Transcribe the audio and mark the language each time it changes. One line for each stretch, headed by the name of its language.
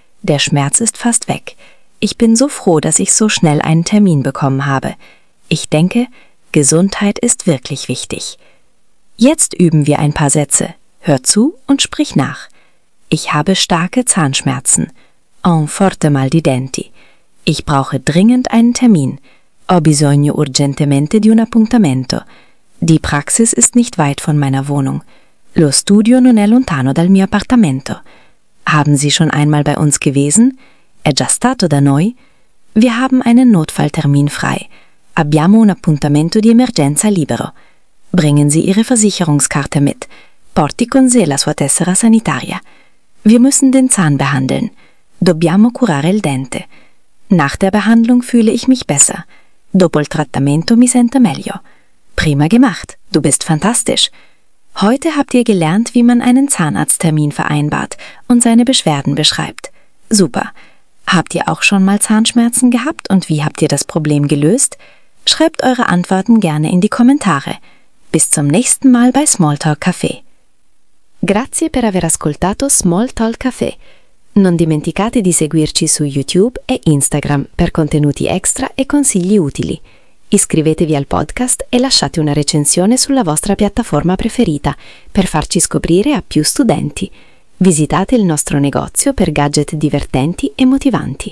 German: Der Schmerz ist fast weg. Ich bin so froh, dass ich so schnell einen Termin bekommen habe. Ich denke, Gesundheit ist wirklich wichtig. Jetzt üben wir ein paar Sätze. Hör zu und sprich nach. Ich habe starke Zahnschmerzen.
Italian: Un forte mal di denti.
German: Ich brauche dringend einen Termin.
Italian: Ho bisogno urgentemente di un appuntamento.
German: Die Praxis ist nicht weit von meiner Wohnung.
Italian: Lo studio non è lontano dal mio appartamento.
German: Haben Sie schon einmal bei uns gewesen?
Italian: È già stato da noi?
German: Wir haben einen Notfalltermin frei.
Italian: Abbiamo un appuntamento di emergenza libero.
German: Bringen Sie Ihre Versicherungskarte mit.
Italian: Porti con sé la sua tessera sanitaria.
German: Wir müssen den Zahn behandeln.
Italian: Dobbiamo curare il dente.
German: Nach der Behandlung fühle ich mich besser.
Italian: Dopo il trattamento mi sento meglio.
German: Prima gemacht. Du bist fantastisch. Heute habt ihr gelernt, wie man einen Zahnarzttermin vereinbart und seine Beschwerden beschreibt. Super. Habt ihr auch schon mal Zahnschmerzen gehabt und wie habt ihr das Problem gelöst? Schreibt eure Antworten gerne in die Kommentare. Bis zum nächsten Mal bei Smalltalk Café.
Italian: Grazie per aver ascoltato Smalltalk Café. Non dimenticate di seguirci su YouTube e Instagram per contenuti extra e consigli utili. Iscrivetevi al podcast e lasciate una recensione sulla vostra piattaforma preferita per farci scoprire a più studenti. Visitate il nostro negozio per gadget divertenti e motivanti.